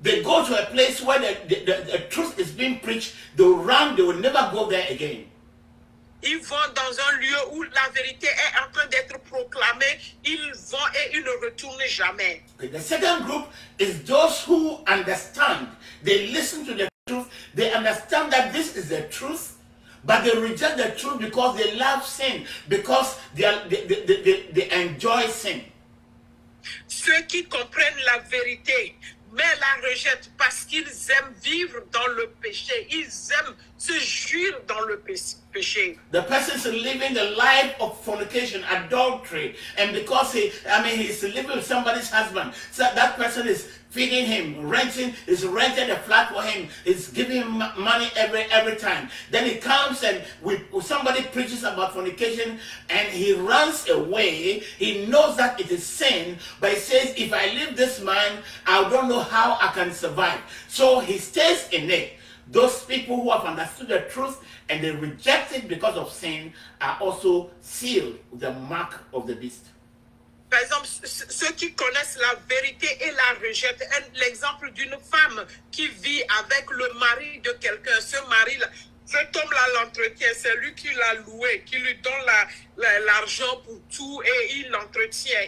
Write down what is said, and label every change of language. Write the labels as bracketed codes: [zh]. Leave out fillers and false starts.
[en] They go to a place where the truth is being preached. They'll run, they will never go there again. [fr] Ils vont dans un lieu où la vérité est en train d'être proclamée. Ils vont et ils ne retournent jamais. [en] Okay, the second group is those who understand. They listen to the truth. They understand that this is the truth, but they reject the truth because they love sin, because they enjoy sin. [fr] Ceux qui comprennent la vérité, mais la rejettent parce qu'ils aiment vivre dans le péché. Ils aiment se jouir dans le péché. [en] The person is living the life of fornication, adultery, and because he's living with somebody's husband, so that person is feeding him, renting a flat for him, is giving him money every time. Then he comes and somebody preaches about fornication and he runs away. He knows that it is sin, but he says, if I leave this man, I don't know how I can survive. So he stays in it. Those people who have understood the truth and they reject it because of sin are also sealed with the mark of the beast. [fr] Par exemple, ceux qui connaissent la vérité et la rejettent. L'exemple d'une femme qui vit avec le mari de quelqu'un. Ce mari-là, cet homme-là l'entretient. C'est lui qui l'a loué, qui lui donne l'argent pour tout et il l'entretient.